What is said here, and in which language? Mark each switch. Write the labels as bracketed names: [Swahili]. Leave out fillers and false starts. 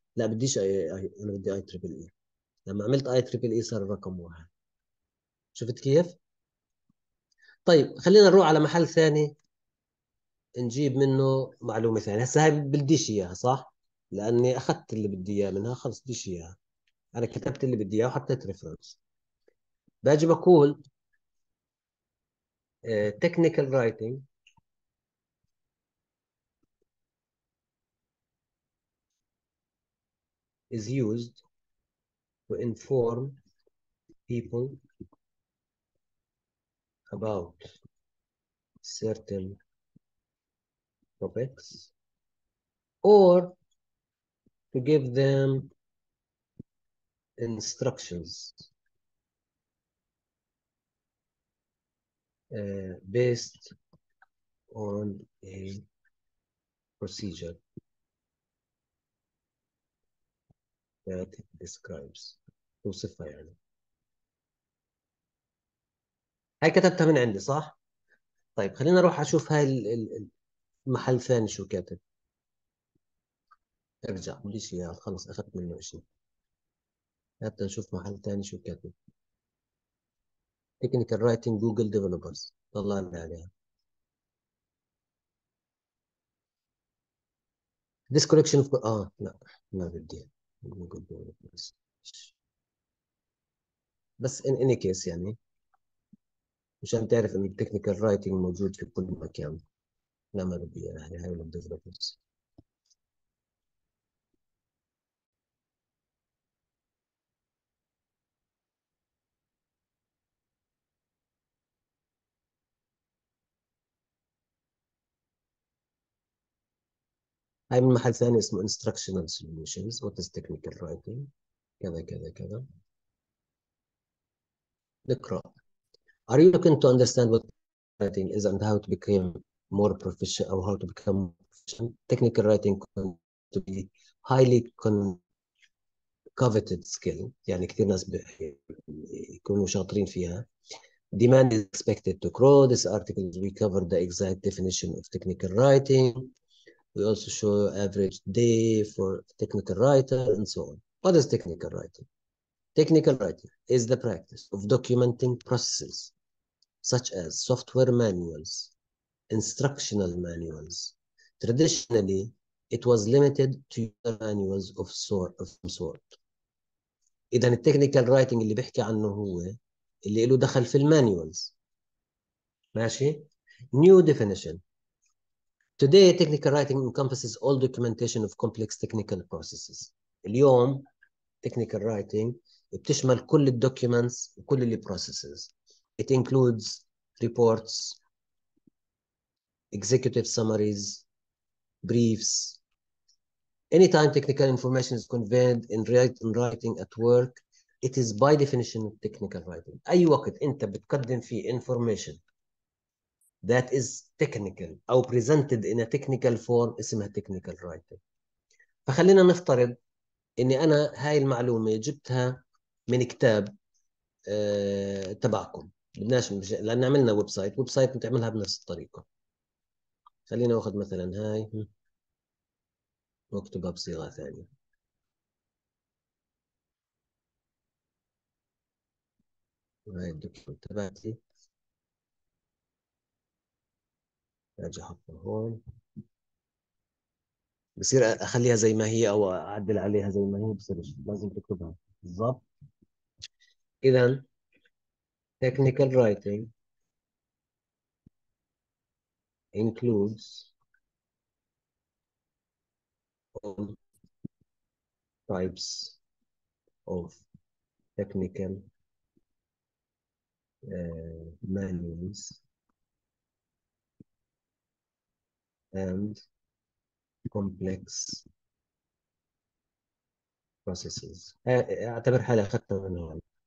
[Arabic] لا بديش انا بدي اي تريبل اي. لما عملت اي تريبل اي صار رقم واحد. شفت كيف؟ طيب خلينا نروح على محل ثاني نجيب منه معلومة ثانية. هسه هاي بديش اياها صح؟ لاني اخذت اللي بدي اياه منها، خلص بديش اياها. انا كتبت اللي بدي اياه وحطيت ريفرنس. باجي بقول [English] technical writing is used to inform people about certain topics or to give them instructions based on a procedure that describes [Arabic] توصفها يعني. هاي كتبتها من عندي صح؟ طيب خلينا نروح اشوف هاي المحل ثاني شو كاتب. ارجع ليش يا خلص اخذت منه شيء. هات نشوف محل ثاني شو كاتب. تكنيكال رايتنج جوجل ديفلوبرز طلعنا عليها. ديسكريبشن اوف، لا ما بدي جوجل ديفلوبرز. بس ان اني كيس يعني مشان تعرف ان التكنيكال رايتنج موجود في كل مكان. لا ما بدي يعني هاي من الديفلوبرز. هاي من محل ثاني اسمه instructional solutions. [English] what is technical writing [Arabic] كذا كذا كذا. نقرأ. [English] are you looking to understand what writing is and how to become more proficient or how to become proficient? technical writing can to be highly coveted skill. [Arabic] يعني كثير ناس يكونوا شاطرين فيها. [English] demand is expected to grow. this article we cover the exact definition of technical writing. We also show average day for technical writer and so on. What is technical writing? Technical writing is the practice of documenting processes such as software manuals, instructional manuals. Traditionally, it was limited to manuals of some sort. [Arabic] إذن التكنيكال رايتنج اللي بحكي عنه هو اللي له دخل في المانيوالز. ماشي؟ [English] New definition. Today, technical writing encompasses all documentation of complex technical processes. [Arabic] اليوم, technical writing بتشمل كل ال documents وكل ال processes. [English] It includes reports, executive summaries, briefs. Anytime technical information is conveyed in writing at work, it is by definition technical writing. [Arabic] أي وقت أنت بتقدم فيه [English] information that is technical أو presented in a technical form اسمها technical writing. [Arabic] فخلينا نفترض إني أنا هاي المعلومة جبتها من كتاب تبعكم. بدناش لأن عملنا ويب سايت، ويب سايت بتعملها بنفس الطريقة. خلينا أخذ مثلا هاي وأكتبها بصيغة ثانية. هاي الدوكيومنت تبعتي اجي احطها هون، بصير اخليها زي ما هي او اعدل عليها زي ما هي. بصير لازم تكتبها بالضبط. [English] اذا technical writing includes all types of technical manuals and complex processes. [Arabic] اعتبر حالي اخذتها من هون.